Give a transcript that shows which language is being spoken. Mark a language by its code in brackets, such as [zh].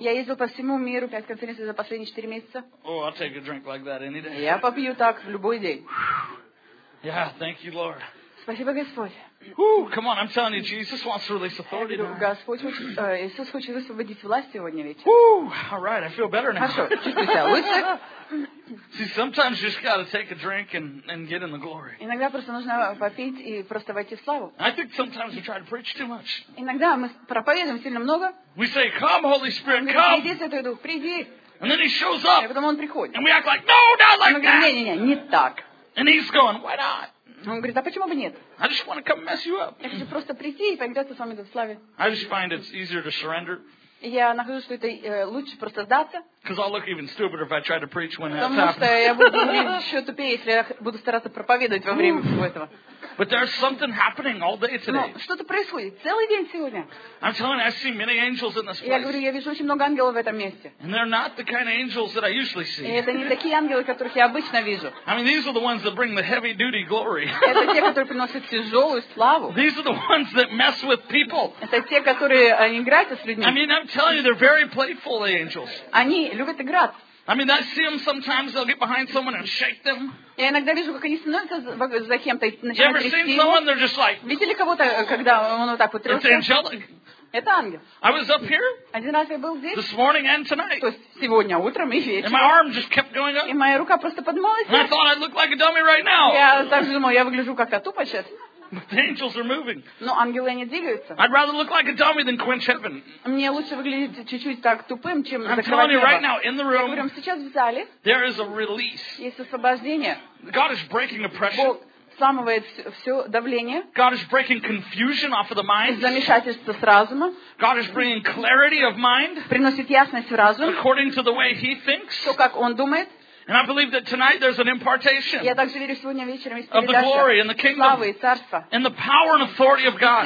[ru] Я ездил по всему миру, 5 конференций за последние 4 месяца. [en] Oh, I'll take a drink like that any day. [ru] Я попью так в любой день. [en] Yeah, thank you, Lord. [ru] Спасибо, Господь. [en] Come on, I'm telling you, Jesus wants to release authority now. [ru] Иисус хочет высвободить власть сегодня ведь. [en] All right, I feel better now. [ru] Хорошо, чувствую себя лучше. [en] See, sometimes you just got to take a drink and get in the glory. [ru] Иногда просто нужно попить и просто войти в славу. [en] I think sometimes we try to preach too much. [ru] Иногда мы проповедуем сильно много. [en] We say, come, Holy Spirit, come. [ru] Иди, Святой Дух, приди. [en] And then he shows up. [ru] И потом он приходит. [en] And we act like, no, not like that. [ru] Не, не так. [en] And he's going, why not? [ru] Он говорит, а почему бы нет? [en] I just want to come mess you up. [ru] Я хочу просто прийти и поиграться с вами в славе. [en] I just find it's easier to surrender. [ru] Я нахожу, что это лучше просто сдаться. [en] Because I'll look even stupider if I try to preach when [ru] Потому [en] that's [ru] что я буду еще тупее, если я буду стараться проповедовать во время всего этого. [en] But there's something happening all day today. [ru] Но что-то происходит целый день сегодня. [en] I'm telling you, I see many angels in this place. [ru] Я говорю, я вижу очень много ангелов в этом месте. [en] And they're not the kind of angels that I usually see. [ru] И это не такие ангелы, которых я обычно вижу. [en] I mean, these are the ones that bring the heavy duty glory. [ru] Это те, которые приносят тяжелую славу. [en] These are the ones that mess with people. [ru] Это те, которые играют с людьми. [en] I mean, I'm telling you, they're very playful angels. [ru] Они любят играть. [en] I mean, I see them sometimes, they'll get behind someone and shake them. [ru] Я иногда вижу, как они становятся за кем-то и начинают трясти его. [en] You ever seen someone, they're just like... [ru] Видели кого-то, когда он вот так вот трясся? [en] It's angelic. [ru] Это ангел. [en] I was up here. [ru] Один раз я был здесь. [en] This morning and tonight. [ru] То есть сегодня утром и вечером. [en] And my arm just kept going up. [ru] И моя рука просто подмалась. [en] And I thought I'd look like a dummy right now. [ru] Я так же думал, я выгляжу как тупо сейчас. [en] But the angels are moving. [ru] Но ангелы не двигаются. [en] I'd rather look like a dummy than quench heaven. [ru] Мне лучше выглядеть чуть-чуть так тупым, чем закрывать небо. [en] I'm telling you right now, in the room, [ru] прямо сейчас в зале, [en] there is a release. [ru] Есть освобождение. [en] God is breaking oppression. [ru] Бог сламывает все давление. [en] God is breaking confusion off of the mind. [ru] Замешательство с разума. [en] God is bringing clarity of mind. [ru] Приносит ясность в разум. [en] According to the way he thinks. [ru] То, как он думает. [en] And I believe that tonight there's an impartation of the glory and the kingdom and the power and authority of God.